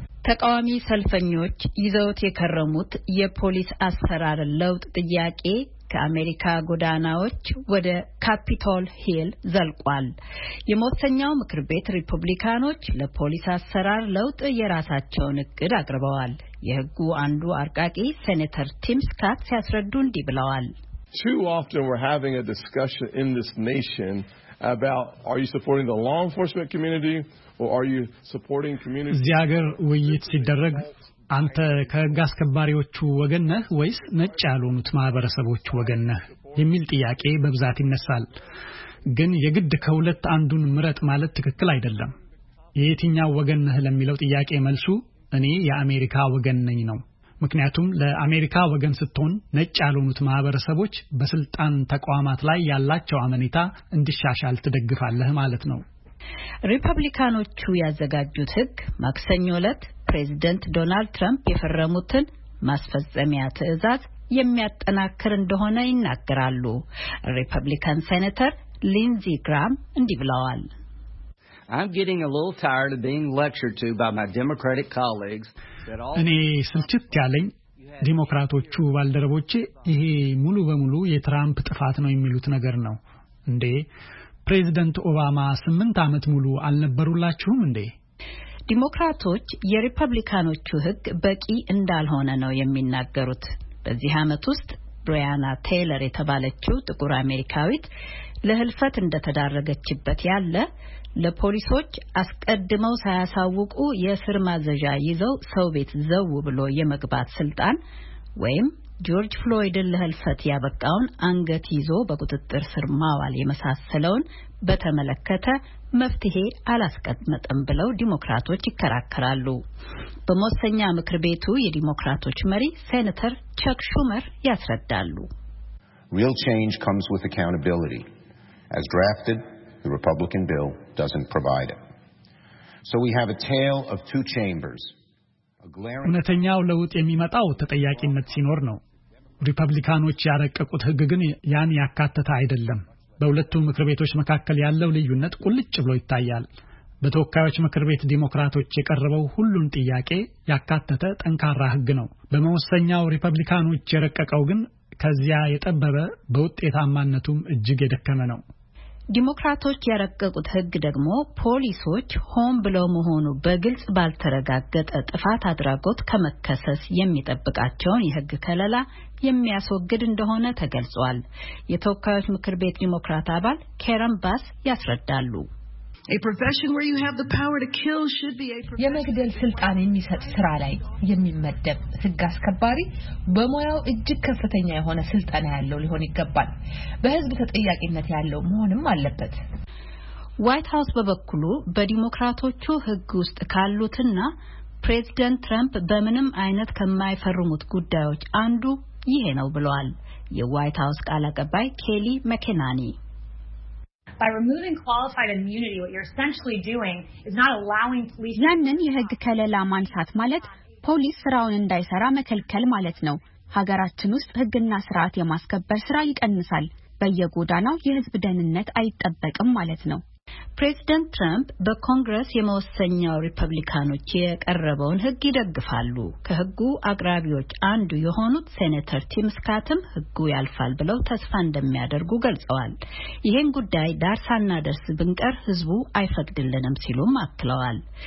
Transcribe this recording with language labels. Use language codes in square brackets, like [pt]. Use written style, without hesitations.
[am] ተቃዋሚ ሰልፈኞች ይዘውት የከረሙት የፖሊስ አሰራር ለውጥ ጥያቄ ከአሜሪካ ጎዳናዎች ወደ ካፒቶል ሂል ዘልቋል። የመወሰኛው ምክር ቤት ሪፐብሊካኖች ለፖሊስ አሰራር ለውጥ የራሳቸውን እቅድ አቅርበዋል። የህጉ አንዱ አርቃቂ ሴኔተር ቲም ስካት ሲያስረዱ እንዲህ ብለዋል። [en] Too often we're having a discussion in this nation about are you supporting the law enforcement community or are you supporting community [am] ዚያገር ውይይት ሲደረግ አንተ ከህግ አስከባሪዎቹ ወገን ነህ ወይስ ነጭ ያልሆኑት ማህበረሰቦች ወገን ነህ የሚል ጥያቄ በብዛት ይነሳል። ግን የግድ ከሁለት አንዱን ምረጥ ማለት ትክክል አይደለም። የየትኛው ወገን ነህ ለሚለው ጥያቄ መልሱ እኔ የአሜሪካ ወገን ነኝ ነው። ምክንያቱም ለአሜሪካ ወገን ስትሆን ነጭ ያልሆኑት ማህበረሰቦች በስልጣን ተቋማት ላይ ያላቸው አመኔታ እንዲሻሻል ትደግፋለህ ማለት ነው። ሪፐብሊካኖቹ ያዘጋጁት ህግ ማክሰኞ ዕለት ፕሬዝደንት ዶናልድ ትራምፕ የፈረሙትን ማስፈጸሚያ ትዕዛዝ የሚያጠናክር እንደሆነ ይናገራሉ። ሪፐብሊካን ሴኔተር ሊንዚ ግራም እንዲህ ብለዋል። [en] I'm getting a little tired of being lectured to by my Democratic colleagues that all [am] እኔ ስልችት ያለኝ ዲሞክራቶቹ ባልደረቦቼ ይሄ ሙሉ በሙሉ የትራምፕ ጥፋት ነው የሚሉት ነገር ነው። እንዴ ፕሬዝደንት ኦባማ 8 አመት ሙሉ አልነበሩላችሁም እንዴ? ዲሞክራቶች የሪፐብሊካኖቹ ህግ በቂ እንዳልሆነ ነው የሚናገሩት። በዚህ አመት ውስጥ ብሪያና ቴይለር የተባለችው ጥቁር አሜሪካዊት ለህልፈት እንደተዳረገችበት ያለ ለፖሊሶች አስቀድመው ሳያሳውቁ የስር ማዘዣ ይዘው ሰው ቤት ዘው ብሎ የመግባት ስልጣን ወይም ጆርጅ ፍሎይድን ለህልፈት ያበቃውን አንገት ይዞ በቁጥጥር ስር ማዋል የመሳሰለውን በተመለከተ መፍትሄ አላስቀመጠም ብለው ዲሞክራቶች ይከራከራሉ። በመወሰኛ ምክር ቤቱ የዲሞክራቶች መሪ ሴኔተር ቸክ ሹመር ያስረዳሉ። [en] Real change comes with accountability. As drafted, the Republican bill doesn't provide it. So we have a tale of two chambers. [am] እነተኛው ለውጥ የሚመጣው ተጠያቂነት ሲኖር ነው። ሪፐብሊካኖች ያረቀቁት ህግ ግን ያን ያካተተ አይደለም። በሁለቱ ምክር ቤቶች መካከል ያለው ልዩነት ቁልጭ ብሎ ይታያል። በተወካዮች ምክር ቤት ዲሞክራቶች የቀረበው ሁሉን ጥያቄ ያካተተ ጠንካራ ህግ ነው። በመወሰኛው ሪፐብሊካኖች የረቀቀው ግን ከዚያ የጠበበ በውጤታማነቱም እጅግ የደከመ ነው። ዲሞክራቶች ያረቀቁት ህግ ደግሞ ፖሊሶች ሆም ብለው መሆኑ በግልጽ ባልተረጋገጠ ጥፋት አድራጎት ከመከሰስ የሚጠብቃቸውን የህግ ከለላ የሚያስወግድ እንደሆነ ተገልጿል። የተወካዮች ምክር ቤት ዲሞክራት አባል ኬረን ባስ ያስረዳሉ። [en] A profession where you have the power to kill should be a profession. [am] የመግደል ስልጣን የሚሰጥ ስራ ላይ የሚመደብ ህግ አስከባሪ በሙያው እጅግ ከፍተኛ የሆነ ስልጣን ያለው ሊሆን ይገባል። በህዝብ ተጠያቂነት ያለው መሆንም አለበት። ዋይት ሃውስ በበኩሉ በዲሞክራቶቹ ህግ ውስጥ ካሉትና ፕሬዝዳንት ትራምፕ በምንም አይነት ከማይፈርሙት ጉዳዮች አንዱ ይሄ ነው ብለዋል። የዋይት ሃውስ ቃል አቀባይ ኬሊ መኬናኒ [en] By removing qualified immunity what you're essentially doing is not allowing police [am] ያንን የህግ ከለላ ማንሳት ማለት ፖሊስ ስራውን እንዳይሰራ መከልከል ማለት ነው። ሀገራችን ውስጥ ህግና ስርዓት የማስከበር ስራ ይቀንሳል። በየጎዳናው የህዝብ ደህንነት አይጠበቅም ማለት ነው። ፕሬዝዳንት ትራምፕ በኮንግረስ የመወሰኛው ሪፐብሊካኖች የቀረበውን ህግ ይደግፋሉ። ከህጉ አቅራቢዎች አንዱ የሆኑት ሴኔተር ቲም ስካትም ህጉ ያልፋል ብለው ተስፋ እንደሚያደርጉ ገልጸዋል። ይሄን ጉዳይ ዳርሳና ደርስ ብንቀር ህዝቡ አይፈቅድልንም ሲሉም አክለዋል።